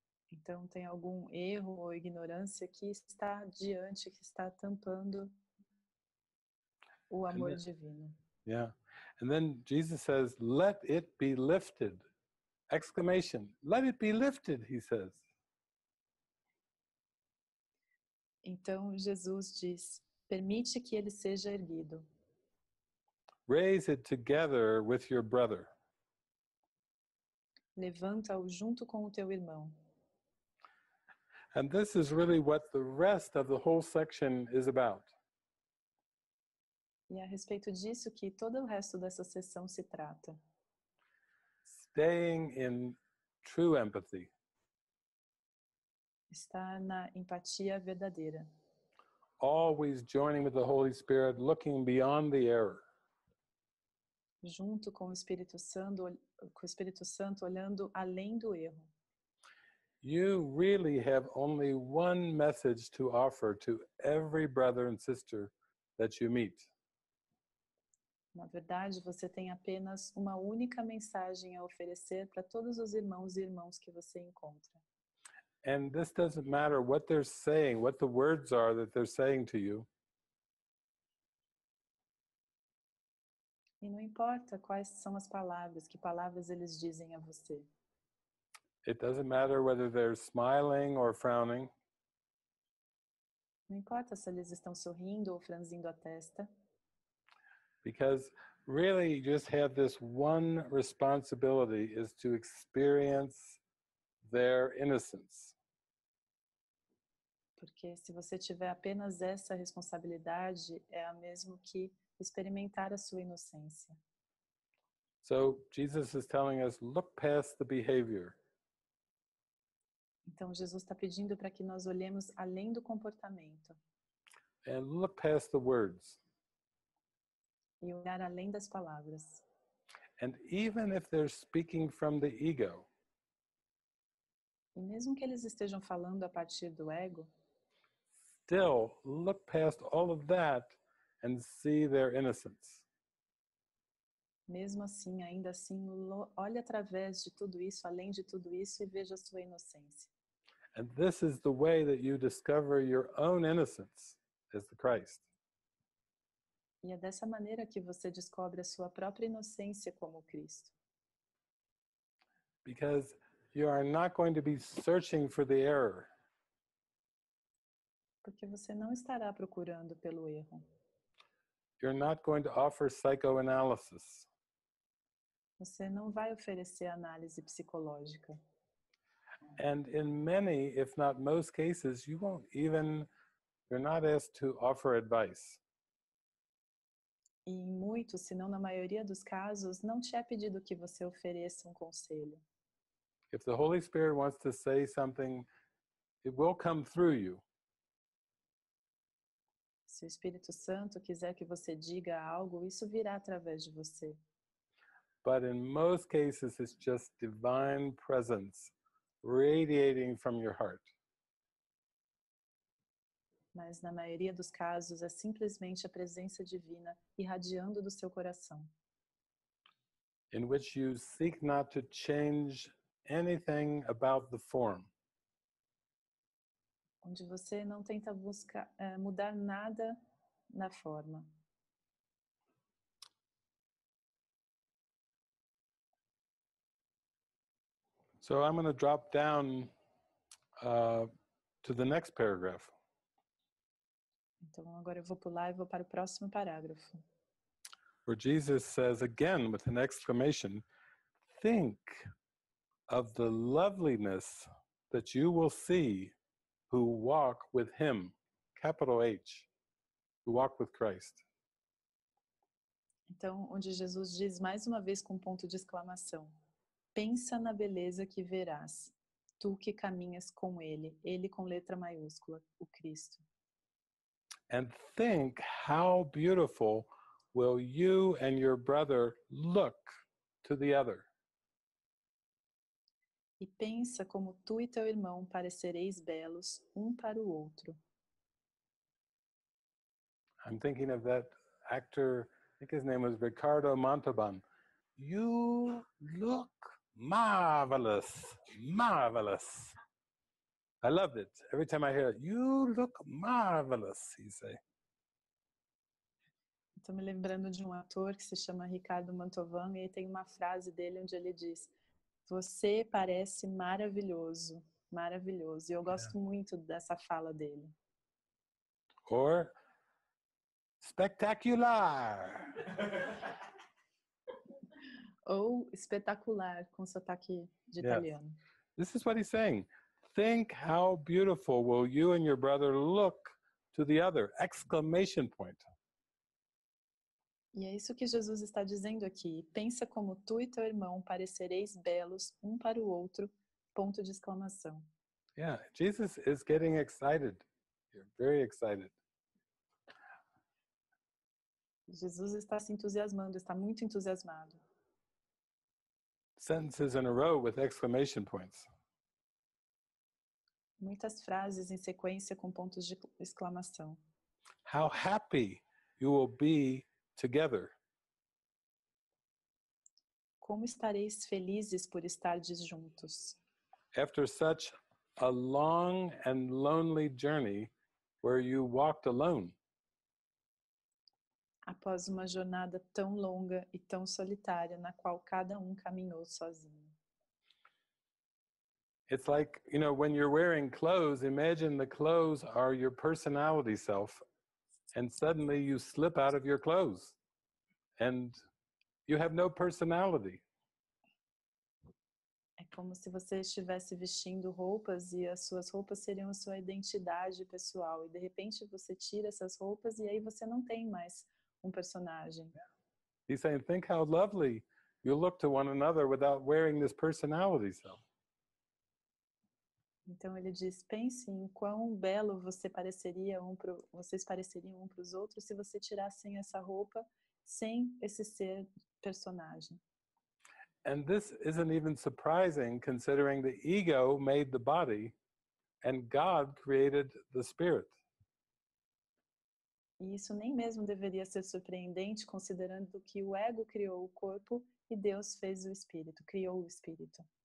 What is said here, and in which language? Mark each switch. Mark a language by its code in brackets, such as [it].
[pt] Então tem algum erro ou ignorância que está diante, que está tampando o amor divino. [en] Yeah. And then Jesus says, "Let it be lifted." Exclamation. Let it be lifted, he says. [pt] Então Jesus diz, permite que ele seja erguido. [en] Raise it together with your brother. [pt] Levanta-o junto com o teu irmão. [en] And this is really what the rest of the whole section is about. [pt] E a respeito disso que todo o resto dessa sessão se trata. [en] Staying in true empathy. [pt] Estar na empatia verdadeira. [en] Always joining with the Holy Spirit, looking beyond the error. [pt] Junto com o Espírito Santo, olhando além do erro. [en] You really have only one message to offer to every brother and sister that you meet. [pt] Na verdade, você tem apenas uma única mensagem a oferecer para todos os irmãos e irmãs que você encontra. [en] And this doesn't matter what they're saying, what the words are that they're saying to you. [pt] E não importa quais são as palavras, que palavras eles dizem a você. [en] It doesn't matter whether they're smiling or frowning. [pt] Não importa se eles estão sorrindo ou franzindo a testa. [en] Because really you just have this one responsibility is to experience their innocence. [pt] Porque se você tiver apenas essa responsabilidade, é a mesma que experimentar a sua inocência. [en] So Jesus is telling us, look past the behavior. [pt] Então Jesus está pedindo para que nós olhemos além do comportamento. [en] And look past the words. [pt] E olhar além das palavras. [en] And even if they're speaking from the ego. [pt] E mesmo que eles estejam falando a partir do ego. [en] Still, look past all of that and see their innocence. [pt] Mesmo assim, ainda assim, olhe através de tudo isso, além de tudo isso, e veja sua inocência. [en] And this is the way that you discover your own innocence as the Christ. [pt] E é dessa maneira que você descobre a sua própria inocência como Cristo. [en] Because you are not going to be searching for the error. [pt] Porque você não estará procurando pelo erro. [en] You're not going to offer psychoanalysis. [pt] Você não vai oferecer análise psicológica. [en] And in many, if not most cases, you won't even, you're not asked to offer advice. [pt] E em muitos, se não na maioria dos casos, não te é pedido que você ofereça um conselho. [en] If the Holy Spirit wants to say something, it will come through you. [pt] Se o Espírito Santo quiser que você diga algo, isso virá através de você. [en] But in most cases, it's just divine presence radiating from your heart. [pt] Mas na maioria dos casos, é simplesmente a presença divina irradiando do seu coração. [en] In which you seek not to change anything about the form. [pt] Onde você não tenta buscar mudar nada na forma. [en] So I'm going to drop down to the next paragraph. [pt] Então agora eu vou pular e vou para o próximo parágrafo. [en] Where Jesus says again with an exclamation, think of the loveliness that you will see who walk with him, capital H, who walk with Christ. [pt] Então, onde Jesus diz mais uma vez com um ponto de exclamação, pensa na beleza que verás, tu que caminhas com ele, ele com letra maiúscula, o Cristo. [en] And think how beautiful will you and your brother look to the other. [pt] E pensa como tu e teu irmão parecereis belos um para o outro. [en] I'm thinking of that actor, I think his name was Ricardo Montalban. You look marvelous, marvelous. I loved it. Every time I hear it, you look marvelous, he say. [pt] Estou me lembrando de um ator que se chama Ricardo Montalban e tem uma frase dele onde ele diz: você parece maravilhoso, maravilhoso. E eu gosto muito dessa fala dele. [en] Or spectacular. [pt] Ou espetacular, com sotaque de italiano. [en] This is what he's saying. Think how beautiful will you and your brother look to the other! Exclamation point. [pt] E é isso que Jesus está dizendo aqui. Pensa como tu e teu irmão parecereis belos um para o outro. Ponto de exclamação. [en] Yeah, Jesus is getting excited. You're very excited. [pt] Jesus está se entusiasmando, está muito entusiasmado. [en] Sentences in a row with exclamation points. [pt] Muitas frases em sequência com pontos de exclamação. [en] How happy you will be together. [pt] Como estareis felizes por estardes juntos? [en] After such a long and lonely journey where you walked alone. [pt] Após uma jornada tão longa e tão solitária na qual cada caminhou sozinho. [en] It's like, you know, when you're wearing clothes, imagine the clothes are your personality self, and suddenly you slip out of your clothes, and you have no personality. [pt] É como se você estivesse vestindo roupas e as suas roupas seriam a sua identidade pessoal, e de repente você tira essas roupas e aí você não tem mais personagem. [en] He's saying, think how lovely you look to one another without wearing this personality self. [pt] Então ele diz, pense em quão belo você pareceria vocês pareceriam para os outros se você tirassem essa roupa sem esse ser personagem. [en] And this isn't even surprising considering the ego made the body and God created the spirit. [pt] E isso nem mesmo deveria ser surpreendente considerando que o ego criou o corpo e Deus fez o espírito, criou o espírito.